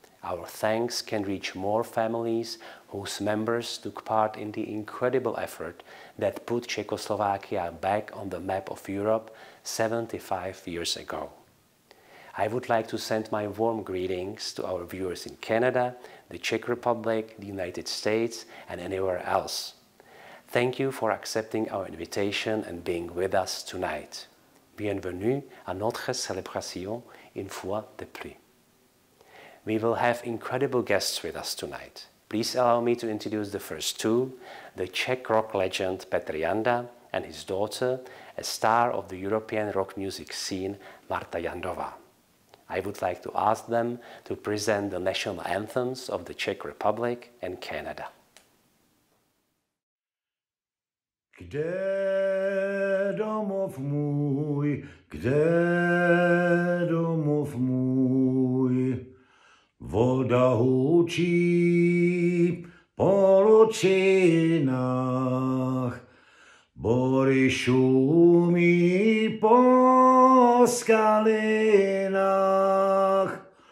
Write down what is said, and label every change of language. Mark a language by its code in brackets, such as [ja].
[en] Our thanks can reach more families whose members took part in the incredible effort that put Czechoslovakia back on the map of Europe 75 years ago. I would like to send my warm greetings to our viewers in Canada, the Czech Republic, the United States, and anywhere else. Thank you for accepting our invitation and being with us tonight. [fr] Bienvenue à notre célébration une fois de plus. [en] We will have incredible guests with us tonight. Please allow me to introduce the first two, the Czech rock legend Petr Janda and his daughter, a star of the European rock music scene, Marta Jandová. I would like to ask them to present the national anthems of the Czech Republic and Canada. [cs] Kde domov můj, kde domov můj? Voda hučí po lučinách, bory šumí po skalinách.